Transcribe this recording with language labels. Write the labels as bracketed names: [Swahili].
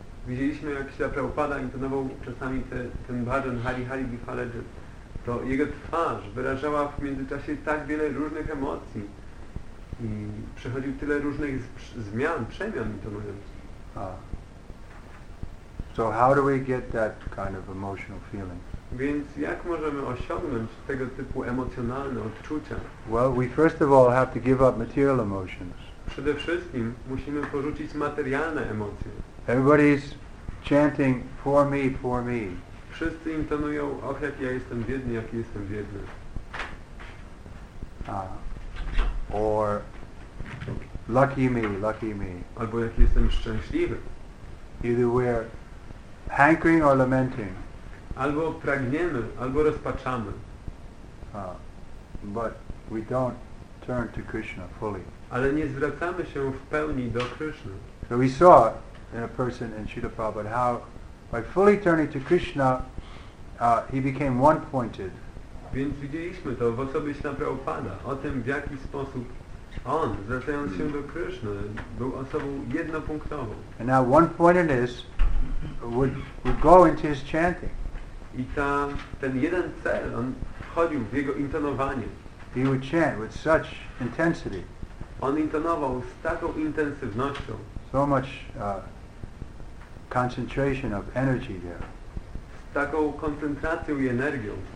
[Polish] Widzieliśmy, jak Śrila Prabhupada intonował czasami ten bhajan Hari Hari Bifalajit. To jego twarz wyrażała w międzyczasie tak wiele różnych emocji. I przechodził tyle różnych zmian, przemian intonując. [English] So how do we get that kind of emotional feeling? [Polish] Więc jak możemy osiągnąć tego typu emocjonalne odczucia? [English] Well, we first of all have to give up material emotions. [Polish] Przede wszystkim musimy porzucić materialne emocje. [English] Everybody's chanting for me, for me. [Polish] Wszyscy intonują, och, jak ja jestem biedny, jaki jestem biedny. [English] Or lucky me, lucky me. [Polish] Albo jaki jestem szczęśliwy. [English] Either we're hankering or lamenting. [Polish] Albo pragniemy, albo rozpaczamy. [English] But we don't turn to Krishna fully. [Polish] Ale nie zwracamy się w pełni do Krishna. [English] So we saw in a person in Srila Prabhupada how by fully turning to Krishna he became one-pointed. [Polish] Więc widzieliśmy to w osobie Śrila Prabhupada, o tym, w jaki sposób on, zwracając się do Krishna, był osobą jednopunktową. [English] And now one-pointedness would go into his chanting. [Polish] I ten jeden cel, on wchodził w jego intonowanie. [English] He would chant with such intensity. [Polish] On intonował z taką intensywnością. [English] So much concentration of energy there. [Polish] Z taką koncentracją i energią.